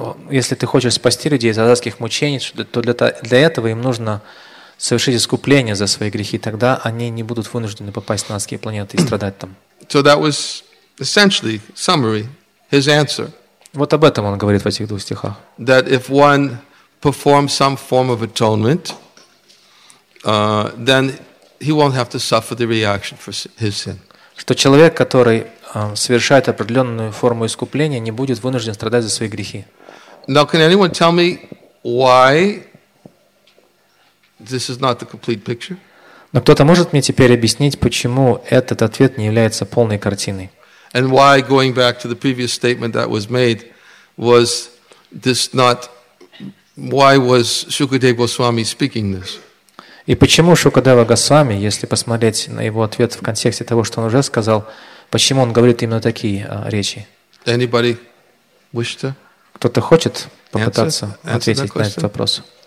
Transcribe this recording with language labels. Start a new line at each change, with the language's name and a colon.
Russian: Если ты хочешь спасти людей из адских мучений, то для этого им нужно совершить искупление за свои грехи, тогда они не будут вынуждены попасть на адские планеты и страдать там.
English: So that was essentially summary his answer.
Russian: Вот об этом он говорит в этих двух стихах.
English: That if one perform some form of atonement, then he won't have to suffer the reaction for his sin.
Russian: Что человек, который совершает определенную форму искупления, не будет вынужден страдать за свои грехи.
English: Now, can anyone tell me why this is not the complete picture?
Russian: Но кто-то может мне теперь объяснить, почему этот ответ не является полной картиной?
English: And why, going back to the previous statement that was made, was this not? Why was Shukadeva Goswami speaking this?
Russian: И почему Шукадева Госвами, если посмотреть на его ответ в контексте того, что он уже сказал, почему он говорит именно такие речи?
English: Anybody wish to?
Russian: Кто-то хочет попытаться ответить на этот вопрос?